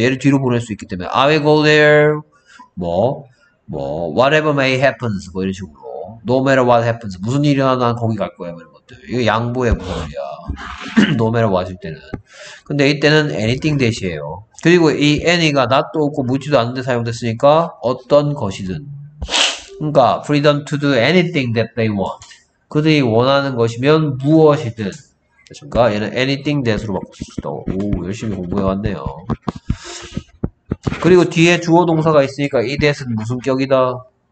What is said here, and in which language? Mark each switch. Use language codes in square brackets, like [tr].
[ko] 얘를 뒤로 보낼 수 있기 때문에 [en] I will go there [ko] 뭐 [en] whatever may happens [ko] 뭐 이런 식으로 [en] no matter what happens [ko] 무슨 일이 일어나 난 거기 갈 거야 이런 것들. 이거 양보의 부분이야. [en] no matter what [ko] 일 때는. 근데 이때는 anything 대시에요. 그리고 이 any가 not도 없고 묻지도 않은데 사용됐으니까 어떤 것이든. 그러니까 [en] freedom to do anything that they want. [ko] 그들이 원하는 것이면 무엇이든. 그러니까 얘는 [en] anything that [ko] 으로 바꿀 수 있다. 오, 열심히 공부해 왔네요. 그리고 뒤에 주어 동사가 있으니까 이 that은 무슨 격이다?